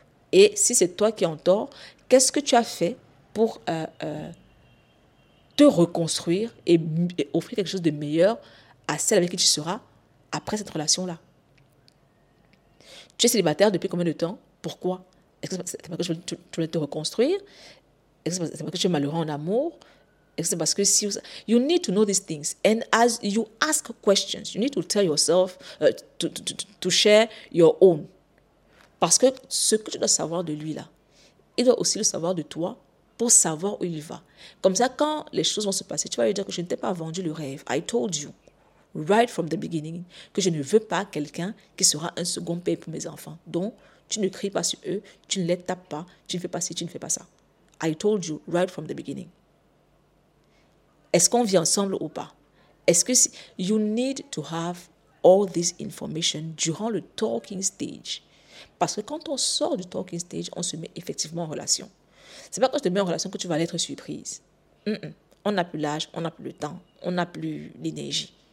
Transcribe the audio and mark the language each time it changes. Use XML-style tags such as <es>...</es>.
<fr>Et si c'est toi qui es en tort, qu'est-ce que tu as fait pour te reconstruire et offrir quelque chose de meilleur à celle avec qui tu seras après cette relation-là? Tu es célibataire depuis combien de temps? Pourquoi? Est-ce que c'est parce que tu voulais te reconstruire? Est-ce que c'est parce que tu es malheureux en amour? Parce que si vous,</fr> <en>you need to know these things, and as you ask questions, you need to tell yourself to share your own.</en> <fr>Parce que ce que tu dois savoir de lui là, il doit aussi le savoir de toi pour savoir où il va. Comme ça, quand les choses vont se passer, tu vas lui dire que je ne t'ai pas vendu le rêve.</fr> <en>I told you right from the beginning</en> <fr>que je ne veux pas quelqu'un qui sera un second père pour mes enfants. Donc, tu ne cries pas sur eux, tu ne les tapes pas, tu ne fais pas ci, tu ne fais pas ça.</fr> <en>I told you right from the beginning.</en> <fr>Est-ce qu'on vit ensemble ou pas? Est-ce que si,</fr> <en>you need to have all this information</en> <fr>durant le</fr> <en>talking stage?</en> <fr>Parce que quand on sort du talking stage, on se met effectivement en relation. Ce n'est pas quand je te mets en relation que tu vas être surprise. Mm-mm. On n'a plus l'âge, on n'a plus le temps, on n'a plus l'énergie.</fr>